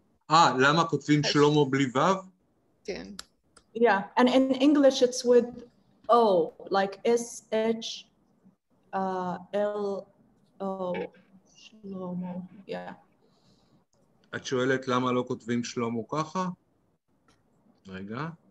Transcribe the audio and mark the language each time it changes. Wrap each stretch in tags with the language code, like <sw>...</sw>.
<he>אה, למה כותבים Shlomo בלי Vav? כן.</he> <en>Yeah, and in English it's with O, like S-H, L-O.</en> <he>שלומו,</he> <en>yeah.</en> <he>את שואלת למה לא כותבים שלומו ככה? רגע.</he>